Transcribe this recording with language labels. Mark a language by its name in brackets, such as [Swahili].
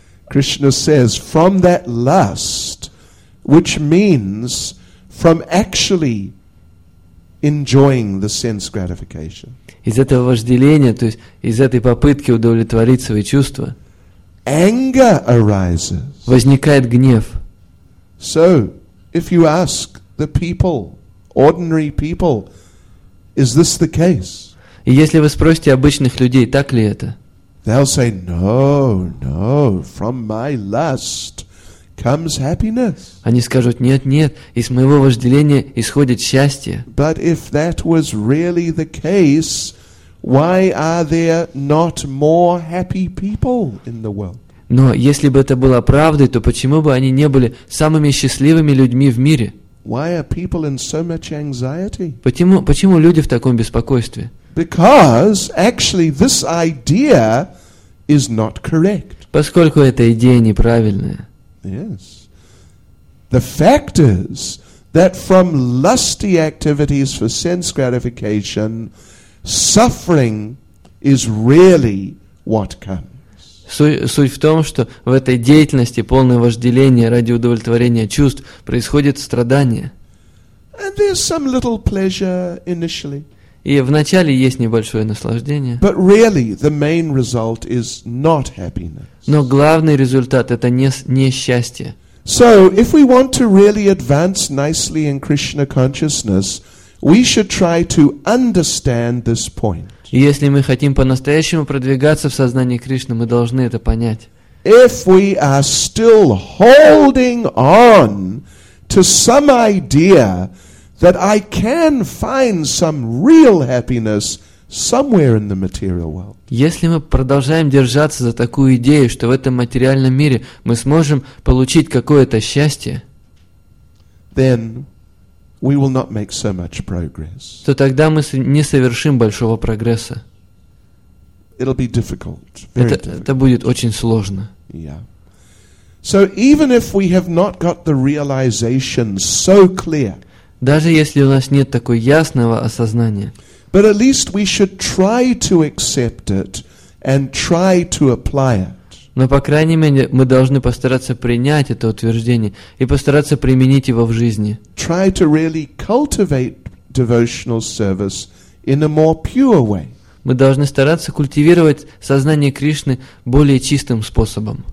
[English] Krishna says, from that lust, which means from actually enjoying the sense gratification. [Russian] Из этого вожделения, то есть из этой попытки удовлетворить свои чувства, [English] anger arises. [Russian] Возникает гнев. [English] So, if you ask the people, ordinary people, is this the case? [Russian] И если вы спросите обычных людей, так ли это? [English] They'll say, no, no, from my lust comes happiness. [Russian] Они скажут, нет, нет, из моего вожделения исходит счастье. [English] But if that was really the case, why are there not more happy people in the world? [Russian] Но если бы это было правдой, то почему бы они не были самыми счастливыми людьми в мире? [English] Why are people in so much anxiety? [Russian] Почему люди в таком беспокойстве? [English] Because actually this idea is not correct. [Russian] Поскольку эта идея неправильная. [English] Yes. The fact is that from lusty activities for sense gratification, suffering is really what comes. [Russian] Суть в том, что в этой деятельности полное вожделение ради удовлетворения чувств происходит страдание. [English] And there's some little pleasure initially. [Russian] И вначале есть небольшое наслаждение. [English] But really, the main result is not happiness. [Russian] Но главный результат – это не счастье. [English] So, if we want to really advance nicely in Krishna consciousness, we should try to understand this point. [Russian] Если мы хотим по-настоящему продвигаться в сознании Кришны, мы должны это понять. [English] If we are still holding on to some idea that I can find some real happiness somewhere in the material world. [Russian] Если мы продолжаем держаться за такую идею, что в этом материальном мире мы сможем получить какое-то счастье, [English] then we will not make so much progress. [Russian] То тогда мы не совершим большого прогресса. [English] It'll be difficult. [Russian] Это будет очень сложно. [English] Yeah. So even if we have not got the realization so clear. [Russian] Даже если у нас нет такого ясного осознания. [English] But at least we should try to accept it and try to apply it. [Russian] Но, по крайней мере, мы должны постараться принять это утверждение и постараться применить его в жизни. [English] Try to really cultivate devotional service in a more pure way. [Russian] Мы должны стараться культивировать сознание Кришны более чистым способом.